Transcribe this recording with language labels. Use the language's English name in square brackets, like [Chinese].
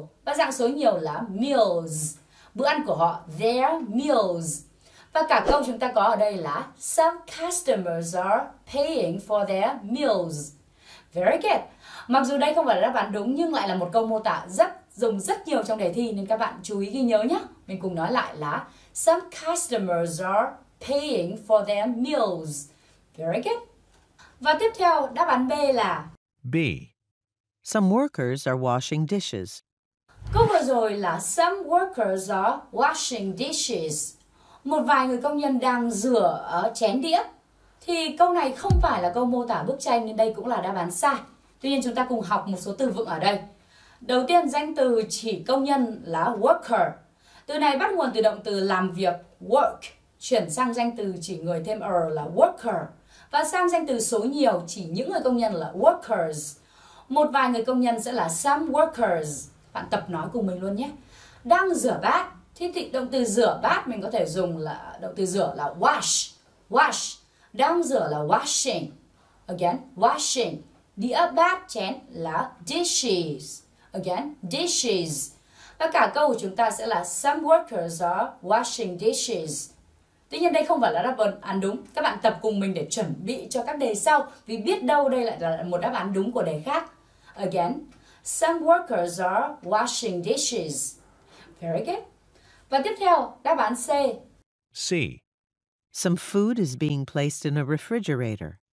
[Vietnamese] Và dạng số nhiều là meals. Bữa ăn của họ, [English] their meals. [Vietnamese] Và cả câu chúng ta có ở đây là [English] some customers are paying for their meals. Very good. [Vietnamese] Mặc dù đây không phải là đáp án đúng nhưng lại là một câu mô tả rất dùng rất nhiều trong đề thi nên các bạn chú ý ghi nhớ nhé. Mình cùng nói lại là [English] Some customers are paying for their meals. Very good. [Vietnamese] Và tiếp theo, đáp án B là [English] B. Some workers are washing dishes. [Vietnamese] Câu vừa rồi là [English] some workers are washing dishes. [Vietnamese] Một vài người công nhân đang rửa ở chén đĩa. Thì câu này không phải là câu mô tả bức tranh nên đây cũng là đáp án sai. Tuy nhiên chúng ta cùng học một số từ vựng ở đây. Đầu tiên danh từ chỉ công nhân là worker. Từ này bắt nguồn từ động từ làm việc work, chuyển sang danh từ chỉ người thêm er là worker. Và sang danh từ số nhiều chỉ những người công nhân là workers. Một vài người công nhân sẽ là some workers. Bạn tập nói cùng mình luôn nhé. Đang rửa bát. Thế thì động từ rửa bát mình có thể dùng là động từ rửa là wash. [English] Wash. [Vietnamese] Đang rửa là [English] washing. Again, washing. [Vietnamese] Đĩa bát chén là dishes. [English] Again, dishes. [Vietnamese] Và cả câu của chúng ta sẽ là [English] some workers are washing dishes. [Vietnamese] Tuy nhiên đây không phải là đáp án đúng. Các bạn tập cùng mình để chuẩn bị cho các đề sau. Vì biết đâu đây lại là một đáp án đúng của đề khác. [English] Again, some workers are washing dishes. Very good. [Vietnamese] Và tiếp theo, đáp án C. [English] C. Some food is being placed in a refrigerator.